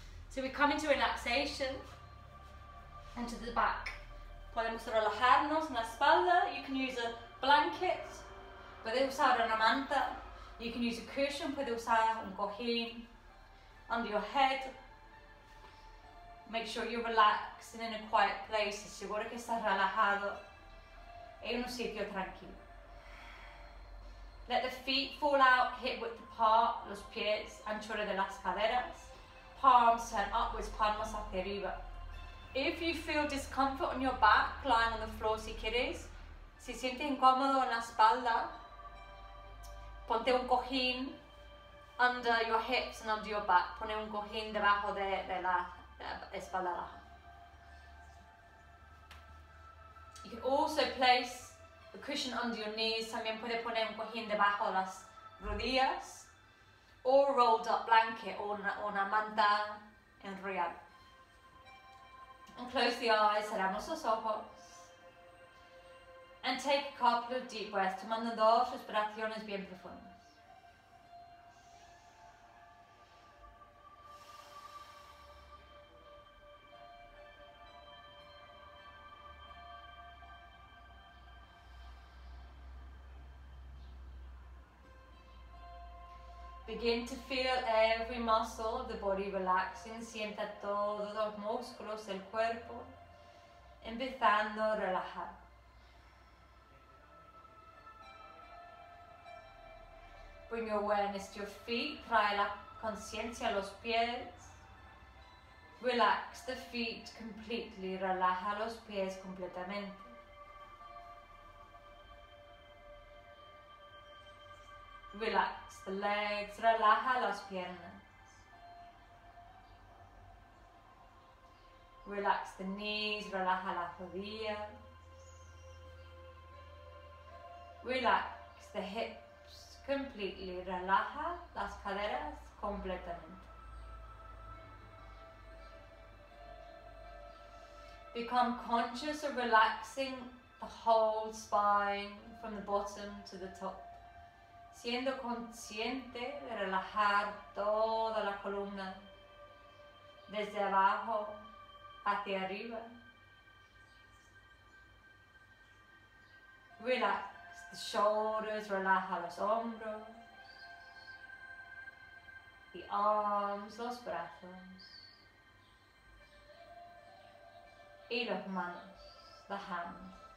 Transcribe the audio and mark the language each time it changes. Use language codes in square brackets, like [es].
[en] So we come into relaxation and to the back. [es] Podemos relajarnos en la espalda, [en] you can use a blanket, [es] puede usar una manta, [en] you can use a cushion, [es] puede usar un cojín [en] under your head. Make sure you relax and in a quiet place. [es] Seguro que estás relajado en un sitio tranquilo. [en] Let the feet fall out, hip width apart, [es] los pies, anchura de las caderas. [en] Palms turn upwards, [es] palmas hacia arriba. [en] If you feel discomfort on your back, lying on the floor [es] si quieres, si sientes incómodo en la espalda, ponte un cojín [en] under your hips and under your back. [es] Pone un cojín debajo de la espalda baja. [en] You can also place a cushion under your knees. [es] También puede poner un cojín debajo de las rodillas. [en] Or rolled up blanket or [es] una manta enrollada. [en] And close the eyes, [es] cerramos los ojos. [en] And take a couple of deep breaths, [es] tomando dos respiraciones bien profundas. [en] Begin to feel every muscle of the body relaxing. [es] Sienta todos los músculos del cuerpo empezando a relajar. [en] Bring your awareness to your feet. [es] Trae la conciencia a los pies. [en] Relax the feet completely. [es] Relaja los pies completamente. [en] Relax the legs, [es] relaja las piernas. [en] Relax the knees, [es] relaja las rodillas. [en] Relax the hips completely, [es] relaja las caderas completamente. [en] Become conscious of relaxing the whole spine from the bottom to the top. [es] Siendo consciente de relajar toda la columna, desde abajo hacia arriba. [en] Relax the shoulders, [es] relaja los hombros, [en] the arms, [es] los brazos, y las manos, [en] the hands.